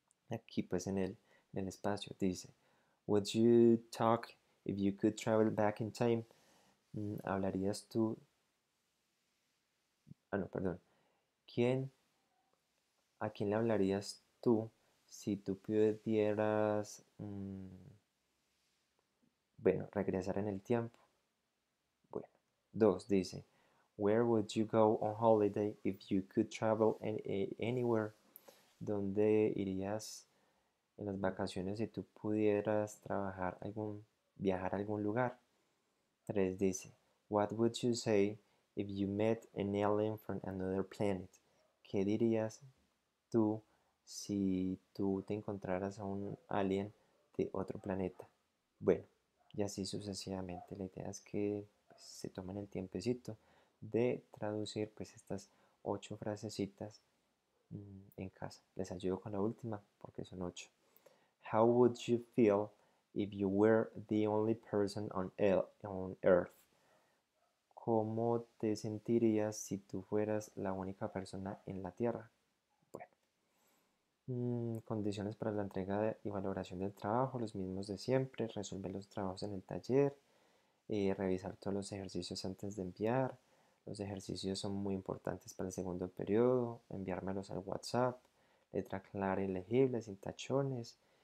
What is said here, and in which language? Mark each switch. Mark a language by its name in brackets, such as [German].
[Spanish] Aquí, pues, en el espacio, dice, [English] would you talk if you could travel back in time? [Spanish] ¿Hablarías tú? Ah, no, perdón. ¿A quién le hablarías tú si tú pudieras, bueno, regresar en el tiempo? Bueno, dos, dice, [English] where would you go on holiday if you could travel anywhere? [Spanish] ¿Dónde irías en las vacaciones si tú pudieras viajar a algún lugar? [English] 3 dice, what would you say if you met an alien from another planet? [Spanish] ¿Qué dirías tú si tú te encontraras a un alien de otro planeta? Bueno, y así sucesivamente. La idea es que pues, se tomen el tiempecito de traducir pues, estas 8 frasecitas en casa. Les ayudo con la última porque son 8. [English] How would you feel if you were the only person on Earth? [Spanish] ¿Cómo te sentirías si tú fueras la única persona en la Tierra? Bueno, condiciones para la entrega y valoración del trabajo, los mismos de siempre, resolver los trabajos en el taller, revisar todos los ejercicios antes de enviar, los ejercicios son muy importantes para el segundo periodo, enviármelos al WhatsApp, letra clara y legible, sin tachones.